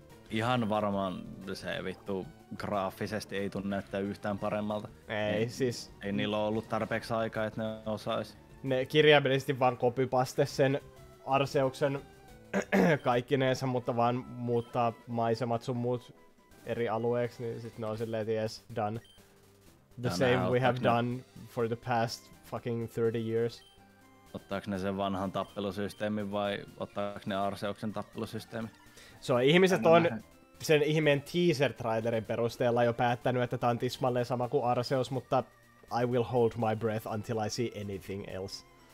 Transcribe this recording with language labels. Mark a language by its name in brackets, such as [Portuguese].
[Finnish] Ihan varmaan se vittu graafisesti ei tunne näyttää yhtään paremmalta. Ei, ne, siis ei niillä ole ollut tarpeeksi aikaa, että ne osais. Ne kirjaimellisesti vaan copypaste sen Arceuksen kaikkineensa, mutta vaan muuttaa maisemat sun muut eri alueeksi, niin sit ne on silleen, yes, done. [English] The ja same we have done for the past fucking 30 years. [Finnish] Ottaako ne sen vanhan tappelusysteemin vai ottaako ne Arceuksen tappelusysteemi? So, ihmiset on sen ihmeen teaser-trailerin perusteella jo päättänyt, että tää on tismalleen sama kuin Arceus, mutta [English] I will hold my breath until I see anything else.